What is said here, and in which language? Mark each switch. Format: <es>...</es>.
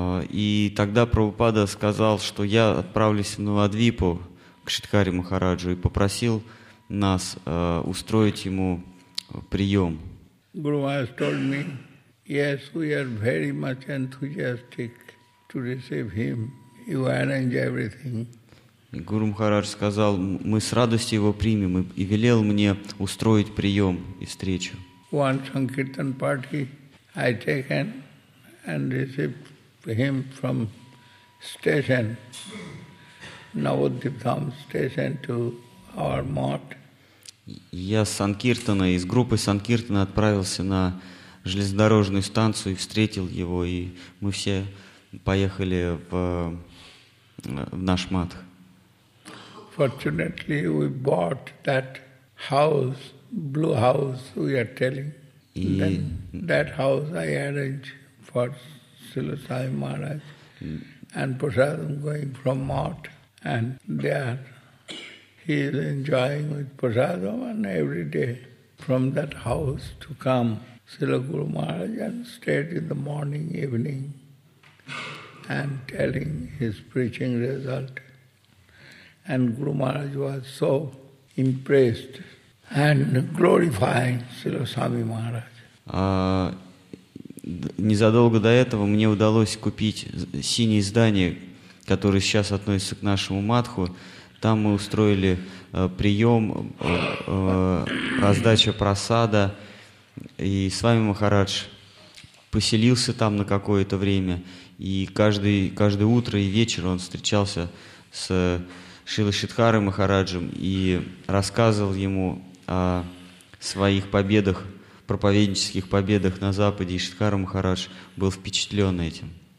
<ru>И тогда Прабхупада сказал, что я отправлюсь в Навадвипу к Шридхаре Махараджу и попросил нас устроить ему прием.</ru> <en>Guru Maharaj told me, yes, we are very much enthusiastic to receive him. You arrange everything.</en> <ru>Гуру Махарадж сказал, мы с радостью его примем, и велел мне устроить прием и встречу.</ru> <en>One sankirtan party I taken and received him from station, Navadvipam station to our mat.</en> <ru>Я с санкиртана, из группы санкиртана отправился на железнодорожную станцию и встретил его, и мы все поехали в наш мат.</ru> <en>Fortunately, we bought that house, blue house, we are telling. And that house I arranged for Srila Sai Maharaj and Prasadam going from Mott. And there, he is enjoying with prasadam and every day from that house to come. Srila Guru Maharaj and stayed in the morning, evening and telling his preaching result. And Guru Maharaj was so impressed and glorifying Srila Swami Maharaj.</en> <ru>Незадолго до этого мне удалось купить синее издание, которое сейчас относится к нашему матху. Там мы устроили прием, раздача просада, и Свами Махарадж поселился там на какое-то время, и каждое утро и вечер он встречался с Шрила Шридхарой Махараджем и рассказывал ему о своих победах, проповеднических победах на Западе, и Шридхара Махарадж был впечатлен этим.</ru>